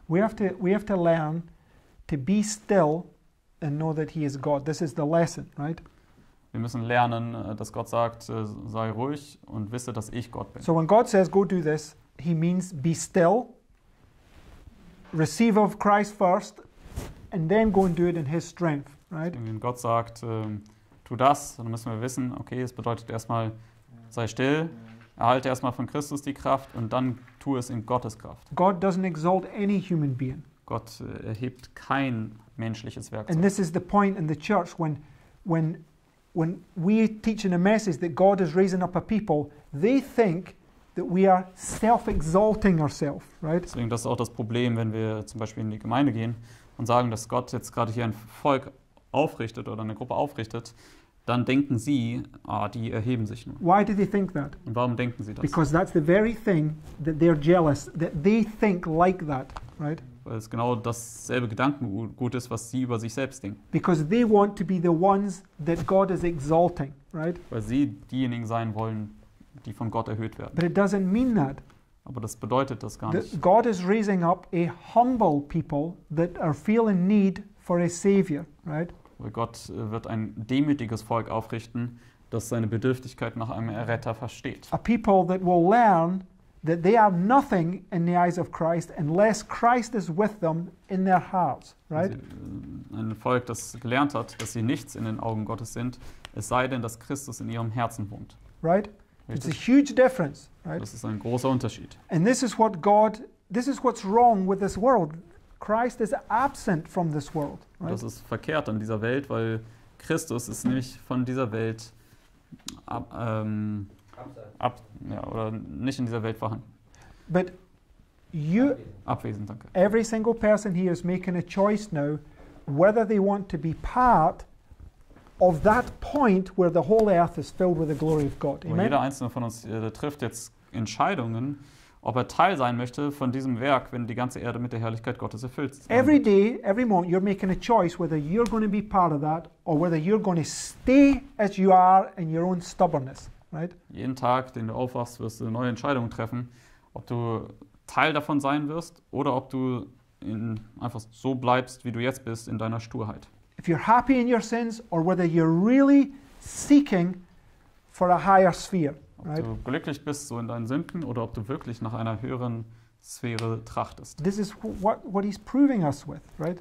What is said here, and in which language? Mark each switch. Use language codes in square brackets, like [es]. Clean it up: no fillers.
[en] We have to learn to be still and know that he is God. This is the lesson, right? [de] Wir müssen lernen, dass Gott sagt, sei ruhig und wisse, dass ich Gott bin. [en] So when God says, go do this, he means be still, receive of Christ first and then go and do it in his strength. Right. [de] Wenn Gott sagt, tu das, dann müssen wir wissen, okay, es bedeutet erstmal, sei still, erhalte erstmal von Christus die Kraft und dann tu es in Gottes Kraft. [en] God doesn't exalt any human being. [de] Gott erhebt kein menschliches Werkzeug. [en] And this is the point in the church when we teach in a message that God is raising up a people, they think that we are self-exalting ourselves, right? [de] Deswegen, das ist auch das Problem, wenn wir zum Beispiel in die Gemeinde gehen und sagen, dass Gott jetzt gerade hier ein Volk aufrichtet oder eine Gruppe aufrichtet, dann denken sie, ah, die erheben sich nur. [en] Why do they think that? [de] Und warum denken sie das? [en] Because that's the very thing that they're jealous, that they think like that, right? [de] Weil es genau dasselbe Gedankengut ist, was sie über sich selbst denken. [en] Because they want to be the ones that God is exalting, right? [de] Weil sie diejenigen sein wollen, die von Gott erhöht werden. [en] But it doesn't mean that. [de] Aber das bedeutet das gar nicht. [en] God is raising up a humble people that are feeling need for a savior, right? [de] Weil Gott wird ein demütiges Volk aufrichten, das seine Bedürftigkeit nach einem Erretter versteht. [en] A people that will learn that they are nothing in the eyes of Christ unless Christ is with them in their hearts, right? [de] Ein Volk, das gelernt hat, dass sie nichts in den Augen Gottes sind, es sei denn, dass Christus in ihrem Herzen wohnt. [en] Right? It's a huge difference, right? [de] Das ist ein großer Unterschied. [en] And this is what God This is what's wrong with this world. Christ is absent from this world. Right? [de] Das ist verkehrt an dieser Welt, weil Christus ist nämlich von dieser Welt oder nicht in dieser Welt vorhanden. [en] But you, [de] abwesend, danke. [en] Every single person here is making a choice now, whether they want to be part of that point where the whole earth is filled with the glory of God. Amen? [de] Jeder einzelne von uns trifft jetzt Entscheidungen, ob er Teil sein möchte von diesem Werk, wenn die ganze Erde mit der Herrlichkeit Gottes erfüllt ist. [en] Every day, every moment, you're making a choice whether you're going to be part of that or whether you're going to stay as you are in your own stubbornness, right? [de] Jeden Tag, den du aufwachst, wirst du neue Entscheidungen treffen, ob du Teil davon sein wirst oder ob du einfach so bleibst, wie du jetzt bist, in deiner Sturheit. [en] If you're happy in your sins or whether you're really seeking for a higher sphere. [de] Ob du glücklich bist so in deinen Sünden oder ob du wirklich nach einer höheren Sphäre trachtest. [en] This is what he's proving us with, right?